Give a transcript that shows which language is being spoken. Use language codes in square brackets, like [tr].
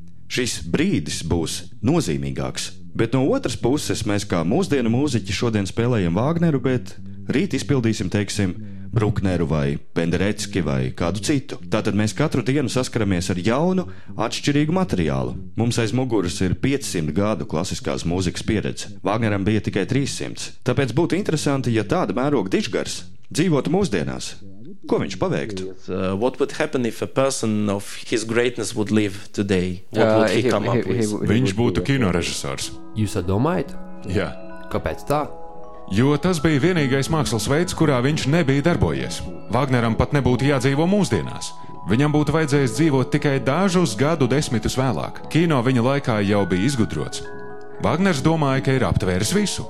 [lv] Šis brīdis būs nozīmīgāks. Bet no otras puses mēs kā mūsdienu mūziķi šodien spēlējam Vāgneru, bet rīt izpildīsim, teiksim, Brukneru vai Penderecki vai kādu citu. Tātad mēs katru dienu saskaramies ar jaunu, atšķirīgu materiālu. Mums aiz muguras ir 500 gadu klasiskās mūzikas pieredze. Vāgneram bija tikai 300. Tāpēc būtu interesanti, ja tāda mēroga dižgars dzīvotu mūsdienās. Ko viņš paveiktu? [en] What would happen if a person of his greatness would live today? What would he come up with? [lv] Viņš būtu kinorežisors. Jūs domājat? Jā. Kāpēc tā? Jo tas bija vienīgais mākslas veids, kurā viņš nebija darbojies. Vāgneram pat nebūtu jādzīvo mūsdienās. Viņam būtu vajadzējis dzīvot tikai dažus gadu desmitus vēlāk. Kino viņa laikā jau bija izgudrots. Vāgners domāja, ka ir aptvēris visu.